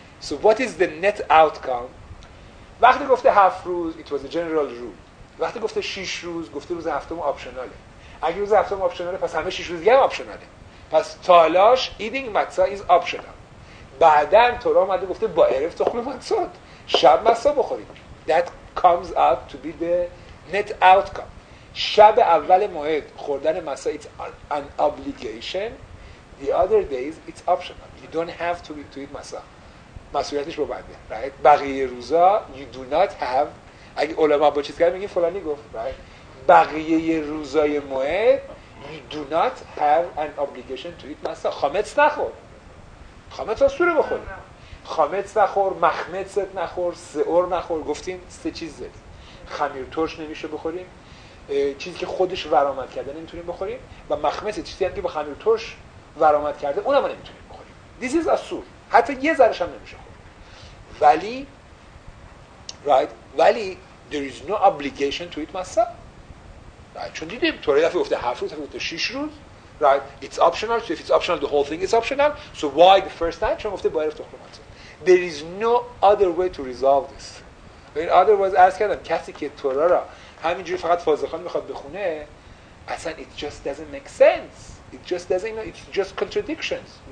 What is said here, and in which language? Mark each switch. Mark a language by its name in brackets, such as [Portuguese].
[English] So what is the net outcome؟ [Persian] وقتی گفته هفت روز [English] it was a general rule، [Persian] وقتی گفته شیش روز گفته روز هفتم آپشناله، اگه روز هفتم آپشناله پس همه شیش روز دیگه هم آپشناله، پس تالاش [English] eating matzah is optional. [Persian] بعدن تورا اومده گفته با ارف تخلو متسوت شب matzah بخوریم. [English] That comes out to be the net outcome. [Persian] شب اول موعد خوردن matzah [English] it's an obligation. The other days it's optional. You don't have to eat matzah. [Persian] مسئولیتش با بنده. [English] Right? [Persian] بقیه روزا [English] you do not have. [Persian] اگه علما با چیز کرد میگه فلانی گفت. [English] Right? [Persian] بقیه روزای موعد [English] you do not have an obligation to eat masa. [Persian] خامت نخور، خامت آسوره بخور، خامت نخور، مخمتت نخور، سعور نخور. گفتیم سه چیز زد، خمیر ترش نمیشه بخوریم، چیزی که خودش ورامت کرده نمیتونیم بخوریم و مخمت چیزی هم که با خمیر ترش ورامت کرده اونم نمیتونیم بخوریم. [English] This is asur. [Persian] حتی یه ذرش هم نمیشه خور. [English] ولی right ولی there is no obligation to eat masa. Right. [Persian] چون دیدیم تورا دفعه گفته 7 روز، دفعه گفته 6 روز. [English] Right. It's optional. So if it's optional, the whole thing is optional. So why the first night? [Persian] چون گفته باید تخلو متسوت. [English] There is no other way to resolve this. In other words, [Persian] ask کردم کسی که تورا را همینجوری فقط فازخان میخواد بخونه، اصلا [English] it just doesn't make sense. It just doesn't, you know, it's just contradictions.